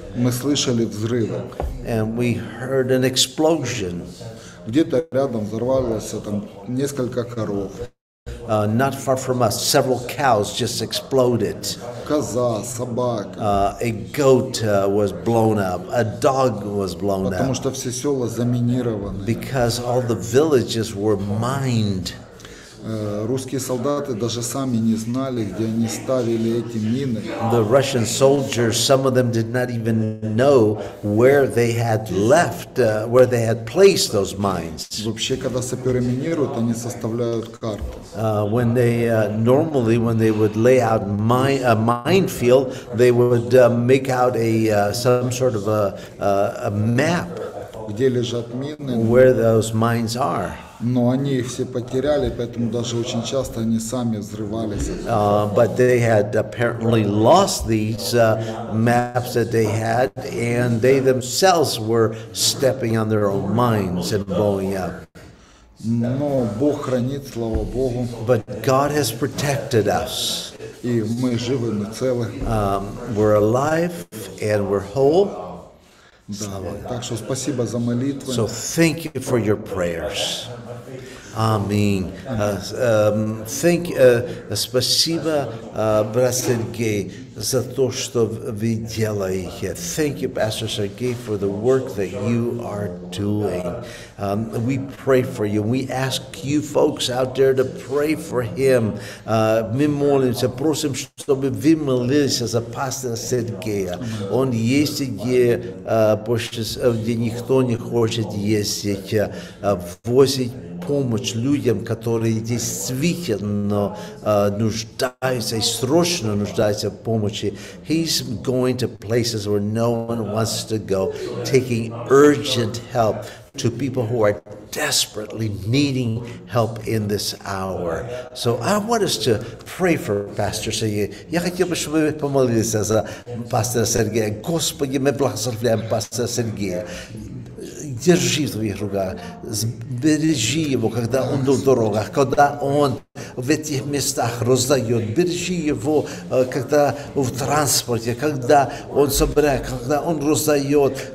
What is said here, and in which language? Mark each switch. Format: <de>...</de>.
<ru>мы слышали взрывы.</ru> <en>And we heard an explosion.</en> <ru>Где-то рядом взорвалось там несколько коров.</ru> <en>Not far from us, several cows just exploded.</en> <ru>Коза, собака.</ru> <en>A goat was blown up. A dog was blown up.</en> <ru>Потому что все села заминированы.</ru> <en>Because all the villages were mined.</en> <ru>Русские солдаты даже сами не знали, где они ставили эти мины.</ru> <en>The Russian soldiers, some of them did not even know where they had left, where they had placed those mines.</en> <ru>Вообще, когда саперы минируют, они составляют карту.</ru> <en>When they normally, when they would lay out a minefield, they would make out a some sort of a map.</en> <ru>Где лежат мины?</ru> <en>Where those mines are.</en> <ru>Но они их все потеряли, поэтому даже очень часто они сами взрывались.</ru> <en>But they had apparently lost these maps that they had, and they themselves were stepping on their own mines and blowing up.</en> <ru>Но Бог хранит, слава Богу.</ru> <en>But God has protected us.</en> <ru>И мы живы, мы целы.</ru> <en>We're alive and we're whole.</en> <ru>Да, так что спасибо за молитвы.</ru> <en>So thank you for your prayers. Amen. Thank</en> <ru>спасибо, брат Сергей, за то, что вы делаете.</ru> <en>Thank you, Pastor Сергей, for the work that you are doing. We pray for you. We ask you folks out there to pray for him.</en> <ru>Мы молимся, просим, чтобы вы молились за пастора Сергея. Он есть где, где никто не хочет ездить, возить помощь людям, которые действительно нуждаются и срочно нуждаются в помощи.</ru> <en>He's going to places where no one wants to go, taking urgent help to people who are desperately needing help in this hour. So I want us to pray for Pastor Сергей.</en> <ru>Я хотел бы, чтобы вы помолились за пастора Сергея. Господи, мы благословляем пастора Сергея. Держи в твоих руках, сбережи его, когда он в дорогах, когда он в этих местах раздает, бережи его, когда в транспорте, когда он собирает, когда он раздает.</ru>